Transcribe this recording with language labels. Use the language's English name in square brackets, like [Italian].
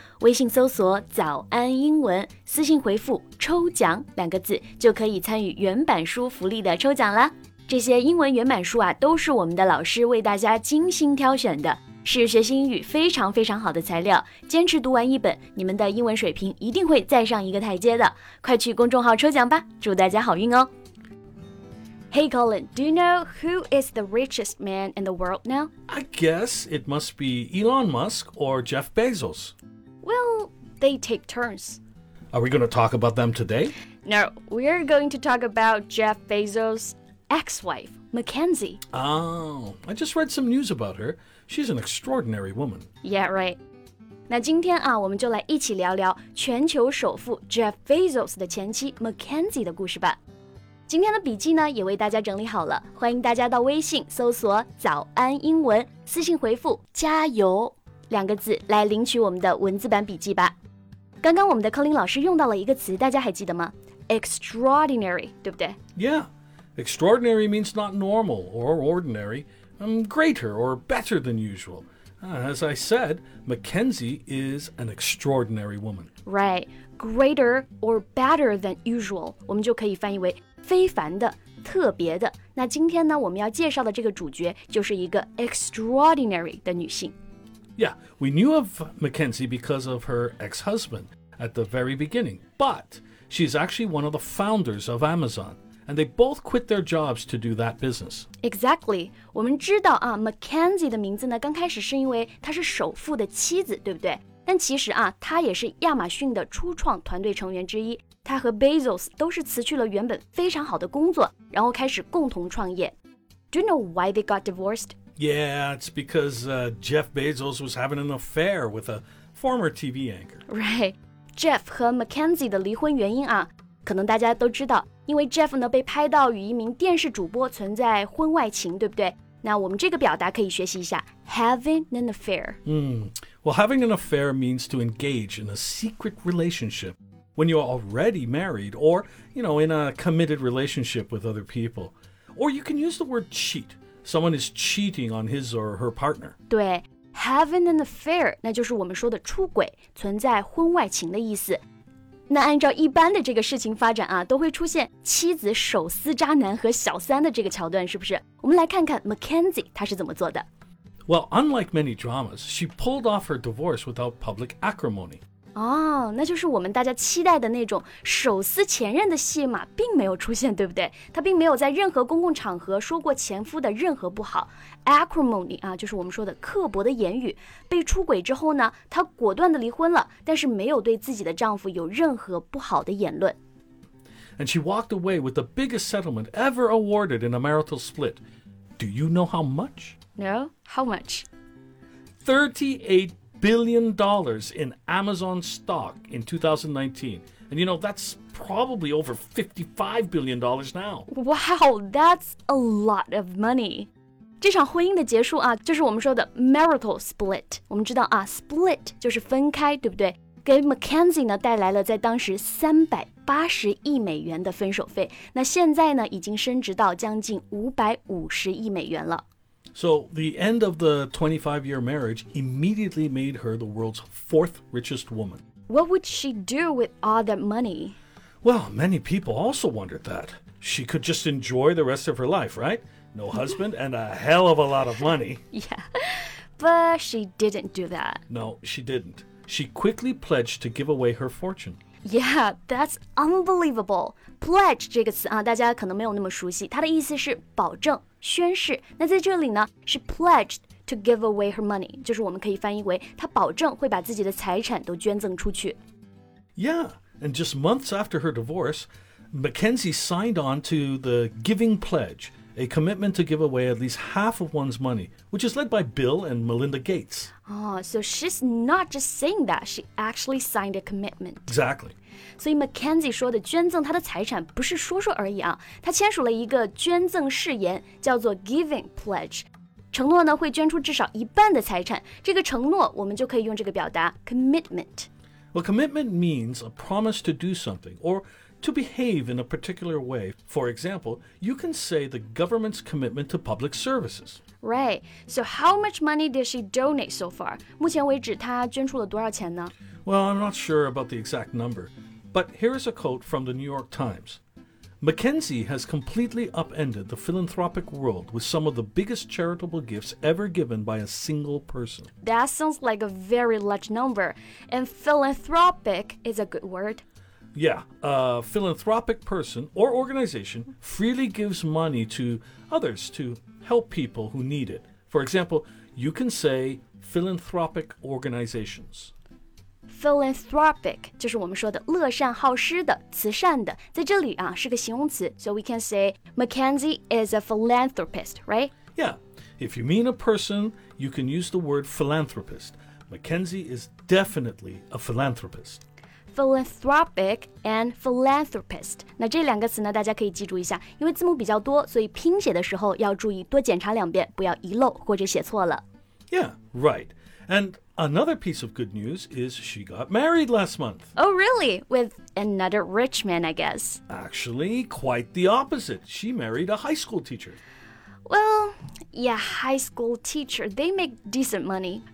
[Chinese] 微信搜索“早安英文”，私信回复“抽奖”两个字，就可以参与原版书福利的抽奖了。这些英文原版书啊，都是我们的老师为大家精心挑选的，是学习英语非常非常好的材料。坚持读完一本，你们的英文水平一定会再上一个台阶的。快去公众号抽奖吧，祝大家好运哦。 [English] Hey Colin, do you know who is the richest man in the world now? I guess it must be Elon Musk or Jeff Bezos. Well, they take turns. Are we going to talk about them today? No, we're going to talk about Jeff Bezos' ex-wife, Mackenzie. Oh, I just read some news about her. She's an extraordinary woman. Yeah, right. [Chinese] 那今天啊，我们就来一起聊聊全球首富 Jeff Bezos 的前妻 Mackenzie 的故事吧。今天的笔记呢也为大家整理好了，欢迎大家到微信搜索早安英文，私信回复加油两个字来领取我们的文字版笔记吧。刚刚我们的Colin老师用到了一个词，大家还记得吗？Extraordinary, 对不对？ [English] Yeah, extraordinary means not normal or ordinary, greater or better than usual. As I said, Mackenzie is an extraordinary woman. Right, greater or better than usual, [Chinese] 我们就可以翻译为非凡的，特别的。那今天呢，我们要介绍的这个主角就是一个 extraordinary 的女性。 [English] Yeah, we knew of Mackenzie because of her ex-husband at the very beginning, but she's actually one of the founders of Amazon, and they both quit their jobs to do that business. Exactly. [Chinese] 我们知道啊 ，Mackenzie 的名字呢，刚开始是因为她是首富的妻子，对不对？但其实啊，她也是亚马逊的初创团队成员之一。他和 Bezos 都是辞去了原本非常好的工作，然后开始共同创业。 [English] Do you know why they got divorced? Yeah, it's because Jeff Bezos was having an affair with a former TV anchor. Right. [Chinese] Jeff 和 Mackenzie 的离婚原因啊，可能大家都知道，因为 Jeff 呢被拍到与一名电视主播存在婚外情，对不对？那我们这个表达可以学习一下 having an affair. [English] Well, having an affair means to engage in a secret relationship. When you're already married or, you know, in a committed relationship with other people. Or you can use the word cheat. Someone is cheating on his or her partner. [Chinese] 对 having an affair, 那就是我们说的出轨，存在婚外情的意思。那按照一般的这个事情发展啊，都会出现妻子手撕渣男和小三的这个桥段，是不是？我们来看看 Mackenzie 她是怎么做的。 [English] Well, unlike many dramas, she pulled off her divorce without public acrimony. [Chinese] 哦、oh, 那就是我们大家期待的那种手撕前任的戏码并没有出现，对不对？她并没有在任何公共场合说过前夫的任何不好。 Acrimony 啊，就是我们说的刻薄的言语。被出轨之后呢，她果断的离婚了，但是没有对自己的丈夫有任何不好的言论。 [English] And she walked away with the biggest settlement ever awarded in a marital split. Do you know how much? No, how much? $38 billion in Amazon stock in 2019. And you know, that's probably over $55 billion now. Wow, that's a lot of money. [Chinese] 这场婚姻的结束啊，就是我们说的 marital split. 我们知道啊 ,split 就是分开，对不对？给 Mackenzie 呢带来了在当时380亿美元的分手费。那现在呢已经升值到将近550亿美元了。 [English] So the end of the 25-year marriage immediately made her the world's fourth richest woman. What would she do with all that money? Well, many people also wondered that. She could just enjoy the rest of her life, right? No husband and a hell of a lot of money. Yeah, but she didn't do that. No, she didn't. She quickly pledged to give away her fortune. Yeah, that's unbelievable. [Chinese] Pledge 这个词啊，大家可能没有那么熟悉，它的意思是保证、宣誓。那在这里呢，是 [English] pledged to give away her money， [Chinese] 就是我们可以翻译为她保证会把自己的财产都捐赠出去。 [English] Yeah, and just months after her divorce, Mackenzie signed on to the Giving Pledge, a commitment to give away at least half of one's money, which is led by Bill and Melinda Gates. Oh, so she's not just saying that, she actually signed a commitment. Exactly. [Chinese] So Mackenzie 说的捐赠她的财产不是说说而已啊，她签署了一个捐赠誓言，叫做 Giving Pledge. 承诺呢会捐出至少一半的财产。这个承诺我们就可以用这个表达 commitment。 [English] Well, commitment means a promise to do something or to behave in a particular way. For example, you can say the government's commitment to public services. Right. So how much money did she donate so far? [Chinese] 目前为止她捐出了多少钱呢? [English] Well, I'm not sure about the exact number, but here is a quote from the New York Times. Mackenzie has completely upended the philanthropic world with some of the biggest charitable gifts ever given by a single person. That sounds like a very large number. And philanthropic is a good word. Yeah, a philanthropic person or organization freely gives money to others to help people who need it. For example, you can say philanthropic organizations. [Chinese] Philanthropic 就是我们说的乐善好施的、慈善的，在这里啊是个形容词 ， [English] so we can say Mackenzie is a philanthropist, right? Yeah, if you mean a person, you can use the word philanthropist. Mackenzie is definitely a philanthropist. Philanthropic and philanthropist. [Chinese] 那这两个词呢，大家可以记住一下，因为字母比较多，所以拼写的时候要注意多检查两遍，不要遗漏或者写错了。 [English] Yeah, right. And another piece of good news is she got married last month. Oh, really? With another rich man, I guess. Actually, quite the opposite. She married a high school teacher. Well, yeah, high school teacher, they make decent money.